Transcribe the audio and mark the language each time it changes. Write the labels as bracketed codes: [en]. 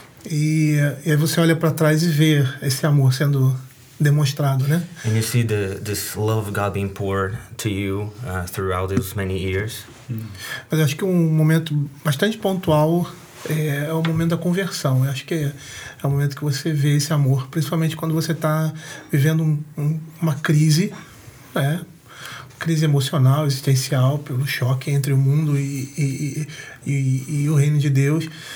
[pt] E aí você olha para trás e vê esse amor sendo demonstrado, né? [en] And you see this love of God being poured to you throughout those many years. [pt] Mas acho que um momento bastante pontual é o momento da conversão. Eu acho que é o momento que você vê esse amor, principalmente quando você está vivendo uma crise, né? Crise emocional, existencial, pelo choque entre o mundo e o reino de Deus.